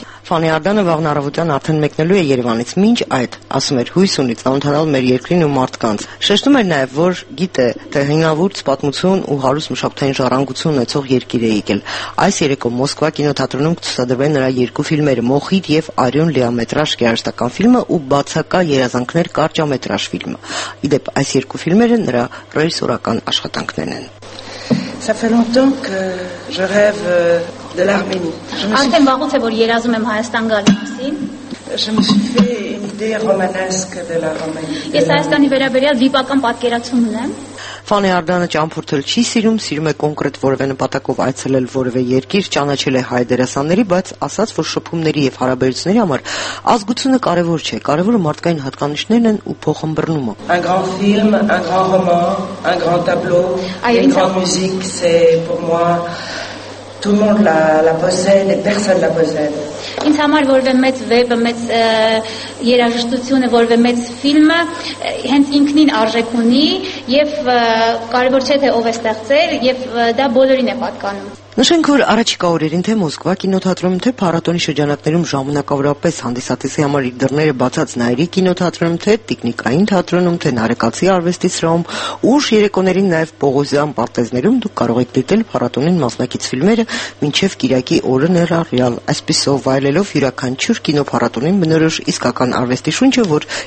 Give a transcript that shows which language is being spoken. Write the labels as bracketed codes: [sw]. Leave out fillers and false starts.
[hy] Ֆանե Արդանը վաղն առավոտյան արդեն մեկնելու է Երևանից, մինչ այդ, ասում էր, հույս ունի ծանոթանալ մեր երկրին ու մարդկանց։ Շեշտում էր նաև, որ գիտե, թե հինավուրց պատմություն ու հարուստ մշակութային ժառանգություն ունեցող երկիր է եկել։ Այս երեկո Մոսկվա կինոթատրոնում կցուցադրվեն նրա 2 ֆիլմերը՝ «Մոխիր» և «Արյուն» լիամետրաժ կերաշտական ֆիլմը ու «Բացակա երազանքներ» կարճամետրաժ ֆիլմը։ Ի դեպ, այս 2 ֆիլմերը նրա ռեժիսորական աշխատանքներն են։ [fr] Ça fait longtemps que je rêve de l'Arménie. Je me suis fait une idée romanesque de la Roumanie. [hy] Ֆանե Արդանը ճամփորդել չի սիրում, սիրում է կոնկրետ որևէ նպատակով այցելել որևէ երկիր, ճանաչել է հայ դերասանների, բայց ասաց, որ շփումների և հարաբերությունների համար ազգությունը կարևոր չէ, կարևորը մարդկային հատկանիշներն են ու փոխմբռնումը։ [fr] Un grand film, un grand roman, un grand tableau, une grande musique, c'est pour moi tout le monde la possède et personne la possède. [hy] Ինձ համար որևէ մեծ վեպը, մեծ երաժշտությունը, որևէ մեծ ֆիլմը հենց ինքնին արժեք ունի և կարևոր չէ, թե ով է ստեղծել, և դա բոլորին է պատկանում։ Նշենք, որ առաջիկա օրերին թե Մոսկվա կինոթատրոնում, թե փառատոնի շրջանակներում ժամանակավորապես հանդիսատեսի համար իր դռները բացած Նայիրի կինոթատրոնում, թե Տիկնիկային թատրոնում, թե Նարեկացի արվեստի սրահում, ուշ երեկոներին նաև Պողոսյան պարտեզներում դուք կարող եք դիտել փառատոնին մասնակից ֆիլմերը, մինչև Կիրակի օրը ներառյալ, այսպիսով վայելելով յուրաքանչյուր կինոփառատոնին բնորոշ իսկական արվեստի շունչը, որ